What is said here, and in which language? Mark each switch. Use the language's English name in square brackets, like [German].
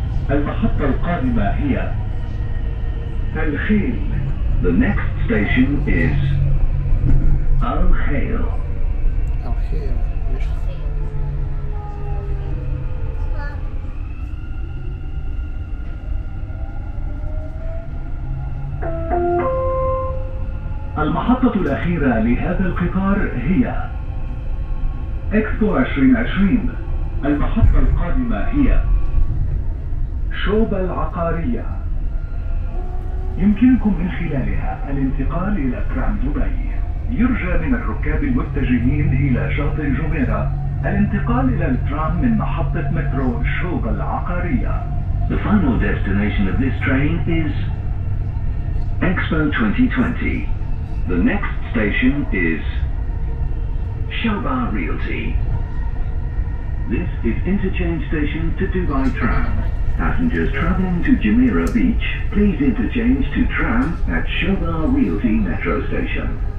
[Arabic] المحطة القادمة هي الخيل. [English] The next station is الخيل. [Arabic] الخيل. المحطة الأخيرة لهذا القطار هي إكسبو 2020. المحطة القادمة هي شوب العقارية. يمكنكم من خلالها الانتقال إلى برام دبي. يرجى من الركاب المتجهين إلى شاطئ جميرة الانتقال إلى البرام من محطة مترو شوب العقارية. [English] The final destination of this train is Expo 2020. The next station is Shoba Realty. This is interchange station to Dubai Tram. Passengers traveling to Jumeirah Beach, please interchange to tram at Shoba Realty Metro Station.